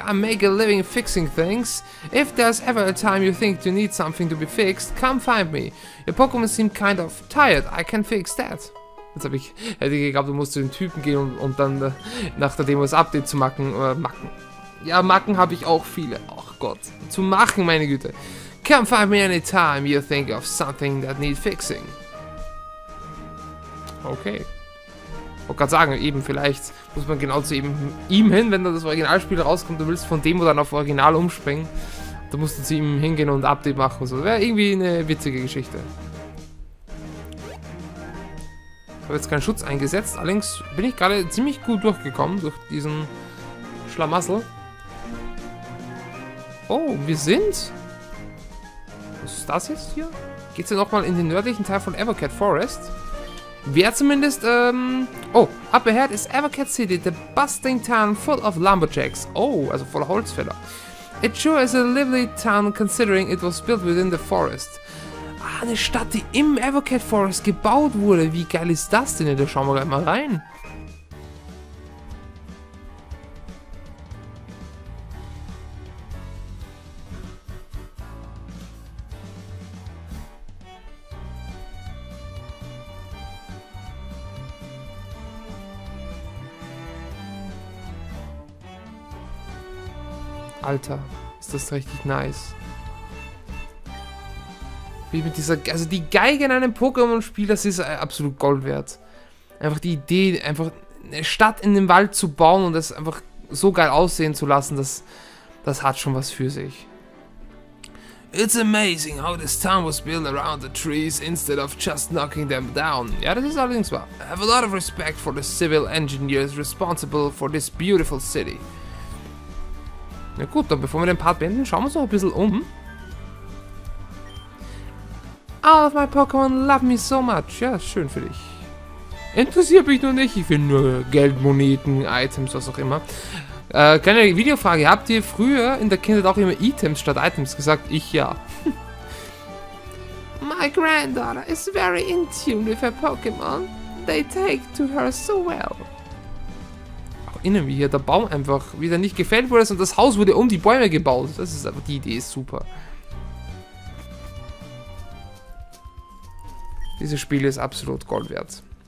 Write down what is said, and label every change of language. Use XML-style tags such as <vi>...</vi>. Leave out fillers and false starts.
<en>I make a living fixing things. If there's ever a time you think you need something to be fixed, come find me. Your Pokémon seem kind of tired. I can fix that.</en> <de>Jetzt habe ich, hätte ich geglaubt, du musst zu den Typen gehen und dann nach der Demo das Update zu machen. Macken. Ja, Macken habe ich auch viele. Ach Gott. Zu machen, meine Güte.</de> <en>Come find me anytime you think of something that need fixing. Okay.</en> <de>Ich wollte gerade sagen, eben vielleicht muss man genau zu ihm hin, wenn dann das Originalspiel rauskommt, du willst von Demo dann auf Original umspringen. Da musst du zu ihm hingehen und ein Update machen. So. Das wäre irgendwie eine witzige Geschichte. Ich habe jetzt keinen Schutz eingesetzt, allerdings bin ich gerade ziemlich gut durchgekommen durch diesen Schlamassel. Oh, wir sind... Was ist das jetzt hier? Geht es ja nochmal in den nördlichen Teil von Evercat Forest? Wer zumindest,</de> <en>oh, up ahead is Evercat City, the bustling town full of lumberjacks.</en> <de>Oh, also voller Holzfäller.</de> <en>It sure is a lively town considering it was built within the forest.</en> <de>Ah, eine Stadt, die im Evercat Forest gebaut wurde. Wie geil ist das denn? Da schauen wir gleich mal rein. Alter, ist das richtig nice. Wie mit dieser... Also die Geige in einem Pokémon-Spiel, das ist absolut Gold wert. Einfach die Idee, einfach eine Stadt in den Wald zu bauen und das einfach so geil aussehen zu lassen, das hat schon was für sich.</de> <en>It's amazing how this town was built around the trees instead of just knocking them down.</en> <de>Ja, das ist allerdings wahr.</de> <en>I have a lot of respect for the civil engineers responsible for this beautiful city.</en> <de>Na gut, dann bevor wir den Part beenden, schauen wir uns noch ein bisschen um.</de> <en>All of my Pokémon love me so much.</en> <de>Ja, schön für dich. Interessiert mich nur nicht. Ich will nur Geld, Moneten, Items, was auch immer. Kleine Videofrage. Habt ihr früher in der Kindheit auch immer Items statt Items gesagt? Ich ja.</de> <en>My granddaughter is very in tune with her Pokémon. They take to her so well.</en> <de>Auch innen, wie hier der Baum einfach wieder nicht gefällt wurde, sondern das Haus wurde um die Bäume gebaut. Das ist einfach, die Idee ist super. Dieses Spiel ist absolut Gold wert.</de>